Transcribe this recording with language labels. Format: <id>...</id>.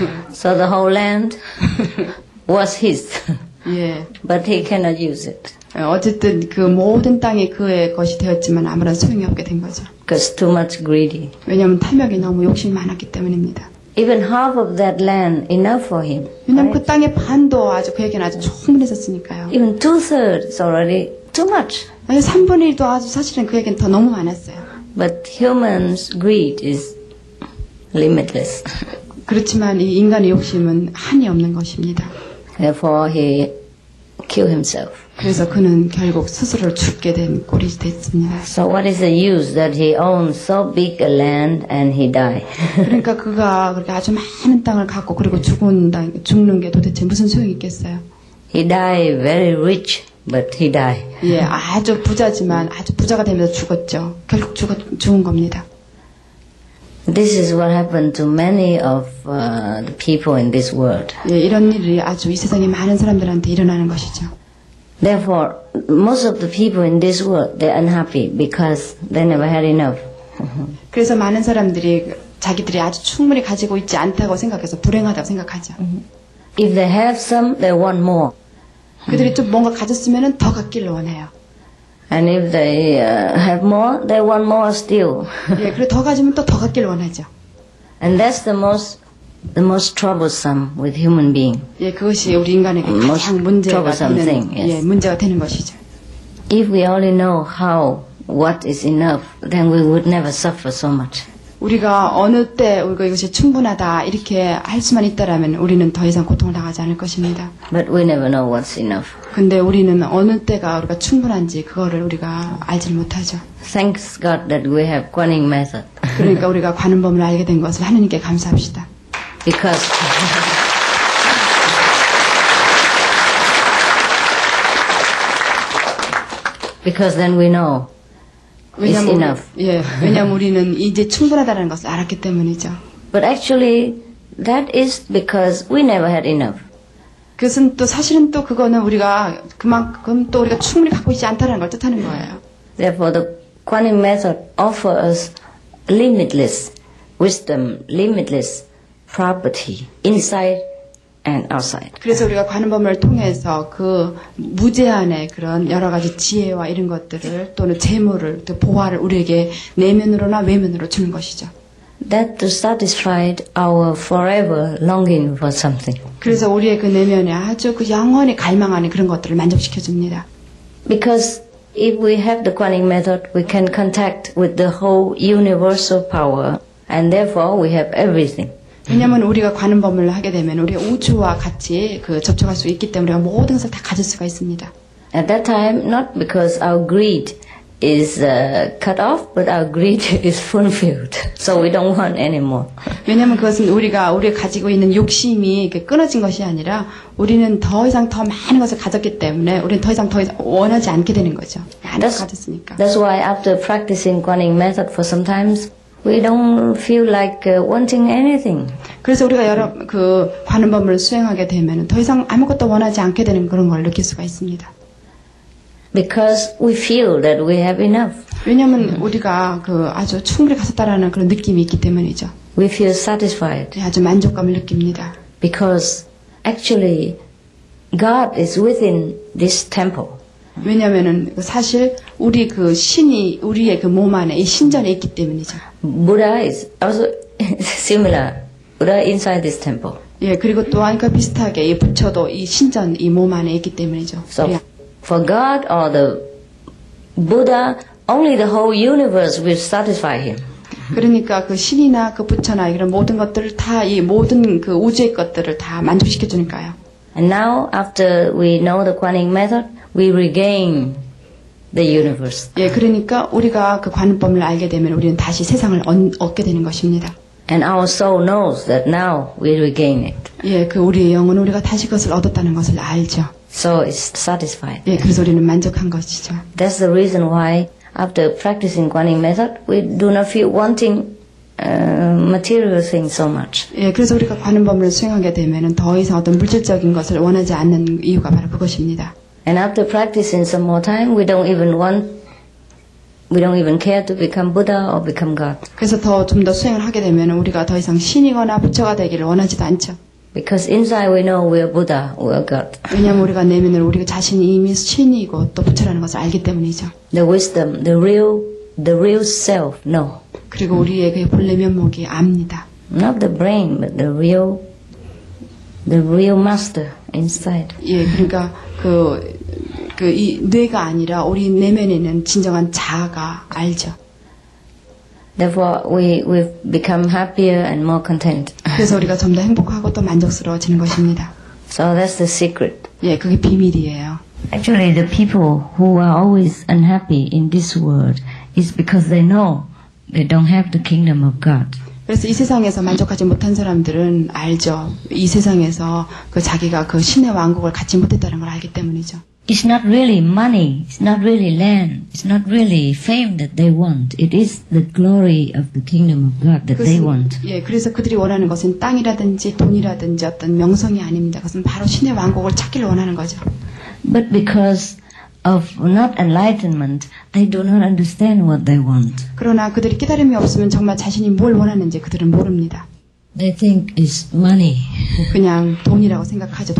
<en>So the whole land was his.</en> <ko>예.</ko> <en>But he cannot use it.</en> <ko>어쨌든 그 모든 땅이 그의 것이 되었지만 아무런 소용이 없게 된 거죠.</ko> <en>Because too much greedy.</en> <ko>왜냐하면 탐욕이 너무 욕심이 많았기 때문입니다.</ko> <en>Even half of that land enough for him.</en> <ko>왜냐하면</ko> <en>right?</en> <ko>그 땅의 반도 아주 그에게는 아주 충분했었으니까요.</ko> <en>Even two thirds already too much.</en> <ko>아니 3분의 1도 아주 사실은 그에게는 더 너무 많았어요.</ko> <en>But human's greed is limitless.</en> <ko>그렇지만 이 인간의 욕심은 한이 없는 것입니다.</ko> <en>Therefore he killed himself.</en> <ko>그래서 그는 결국 스스로 죽게 된 꼴이 됐습니다.</ko> <en>So what is the use that he owns so big a land and he die?</en> <ko>그러니까 그가 그렇게 아주 많은 땅을 갖고 그리고 죽는 게 도대체 무슨 소용이 있겠어요?</ko> <en>He die very rich, but he die.</en> <ko>예, 아주 부자지만 아주 부자가 되면서 죽었죠. 결국 죽은 겁니다.</ko> <en>This is what happened to many of the people in this world.</en> <ko>예, 이런 일이 아주 이 세상에 많은 사람들한테 일어나는 것이죠.</ko> <en>Therefore, most of the people in this world, they're unhappy because they never had enough.</en> <ko>그래서 많은 사람들이 자기들이 아주 충분히 가지고 있지 않다고 생각해서 불행하다고 생각하죠.</ko> <en>If they have some, they want more.</en> <ko>그들이 좀 뭔가 가졌으면 더 갖기를 원해요.</ko> <en>And if they have more, they want more still.</en> <ko>예, 그리고 더 가지면 또 더 갖기를 원하죠.</ko> <en>And that's the most troublesome with human being.</en> <ko>예, 그것이 우리 인간에게 가장 문제가 되는 것이죠.</ko> <en>If we only know how what is enough, then we would never suffer so much.</en> <ko>우리가 어느 때 우리가 이것이 충분하다 이렇게 할 수만 있다라면 우리는 더 이상 고통을 당하지 않을 것입니다.</ko> <en>But we never know what's enough.</en> <ko>근데 우리는 어느 때가 우리가 충분한지 그거를 우리가 알지 못하죠.</ko> <en>Thanks God that we have Guaning method.</en> <ko>그러니까 우리가 관음법을 알게 된 것을 하느님께 감사합시다.</ko> <en>Because then we know it's enough.</en> <ko>예, 왜냐면 우리는 이제 충분하다는 것을 알았기 때문이죠.</ko> <en>But actually, that is because we never had enough.</en> <ko>그것은 또 사실은 또 그거는 우리가 그만큼 또 우리가 충분히 갖고 있지 않다는 걸 뜻하는 거예요.</ko> <en>Therefore, the Guaning method offers us limitless wisdom, limitless. Property inside and outside.</en> <ko>그래서 우리가 관음법을 통해서 그 무제한의 그런 여러 가지 지혜와 이런 것들을 또는 재물을 또 보화를 우리에게 내면으로나 외면으로 주는 것이죠.</ko> <en>That to satisfy our forever longing for something.</en> <ko>그래서 우리의 그 내면에 아주 그 영원히 갈망하는 그런 것들을 만족시켜 줍니다.</ko> <en>Because if we have the Guaning method, we can contact with the whole universal power, and therefore we have everything.</en> <ko>왜냐면 우리가 관음법을 하게 되면 우리 우주와 같이 그 접촉할 수 있기 때문에 우리가 모든 것을 다 가질 수가 있습니다.</ko> <en>At that time, not because our greed is cut off, but our greed is fulfilled. So we don't want anymore.</en> <ko>왜냐면 그것은 우리가 가지고 있는 욕심이 끊어진 것이 아니라 우리는 더 이상 더 많은 것을 가졌기 때문에 우리는 더 이상 원하지 않게 되는 거죠. 많은 것을 가졌으니까.</ko> <en>That's why after practicing Guaning method for some times, we don't feel like wanting anything.</en> <ko>그래서 우리가 여러 그 관음법을 수행하게 되면 더 이상 아무것도 원하지 않게 되는 그런 걸 느낄 수가 있습니다.</ko> <en>Because we feel that we have enough.</en> <ko>왜냐하면 우리가 그 아주 충분히 가졌다라는 그런 느낌이 있기 때문이죠.</ko> <en>We feel satisfied.</en> <ko>아주 만족감을 느낍니다.</ko> <en>Because actually God is within this temple.</en> <ko>왜냐하면은 사실 우리 그 신이 우리의 그 몸 안에 이 신전에 있기 때문이죠.</ko> <en>Buddha is also similar. Buddha inside this temple.</en> <ko>예, 그리고 또한 그 비슷하게 이 부처도 이 신전 이 몸 안에 있기 때문이죠.</ko> <en>So for God or the Buddha, only the whole universe will satisfy him.</en> <ko>그러니까 그 신이나 그 부처나 이런 모든 것들을 다 이 모든 그 우주의 것들을 다 만족시켜 주니까요.</ko> <en>And now after we know the Guaning method. We regain the universe.</en> <ko>예, 그러니까 우리가 그 관음법을 알게 되면 우리는 다시 세상을 얻게 되는 것입니다.</ko> <en>And our soul knows that now we regain it.</en> <ko>예, 그 우리의 영혼은 우리가 다시 그것을 얻었다는 것을 알죠.</ko> <en>So it's satisfied.</en> <ko>예, 그래서 우리는 만족한 것이죠.</ko> <en>That's the reason why after practicing Guaning method, we do not feel wanting material things so much.</en> <ko>예, 그래서 우리가 관음법을 수행하게 되면은 더 이상 어떤 물질적인 것을 원하지 않는 이유가 바로 그것입니다.</ko> <en>And after practicing some more time, we don't even care to become Buddha or become God.</en> <ko>그래서 더 좀 더 수행을 하게 되면 우리가 더 이상 신이거나 부처가 되기를 원하지도 않죠.</ko> <en>Because inside we know we are Buddha, we are God.</en> <ko>왜냐면 우리가 내면을 우리가 자신이 이미 신이고 또 부처라는 것을 알기 때문이죠.</ko> <en>The wisdom, the real the real self know.</en> <ko>그리고 우리의 그 본래 면목이 압니다.</ko> <en>Not the brain, but the real master inside.</en> <ko>예, 그러니까 그 이 뇌가 아니라 우리 내면에는 진정한 자아가 알죠.</ko> <en>Therefore, we've become happier and more content.</en> <ko>그래서 우리가 좀 더 행복하고 또 만족스러워지는 것입니다.</ko> <en>So that's the secret.</en> <ko>예, 그게 비밀이에요.</ko> <en>Actually, the people who are always unhappy in this world is because they know they don't have the kingdom of God.</en> <ko>그래서 이 세상에서 만족하지 못한 사람들은 알죠. 이 세상에서 그 자기가 그 신의 왕국을 갖지 못했다는 걸 알기 때문이죠.</ko> <en>It's not really money, it's not really land, it's not really fame that they want. It is the glory of the kingdom of God that they want.</en> <ko>예, 그래서 그들이 원하는 것은 땅이라든지 돈이라든지 어떤 명성이 아닙니다. 그것은 바로 신의 왕국을 찾기를 원하는 거죠.</ko> <en>But because of not enlightenment, they do not understand what they want.</en> <ko>그러나 그들이 깨달음이 없으면 정말 자신이 뭘 원하는지 그들은 모릅니다.</ko> <en>They think it's money.</en> <ko>그냥 돈이라고 생각하죠.</ko>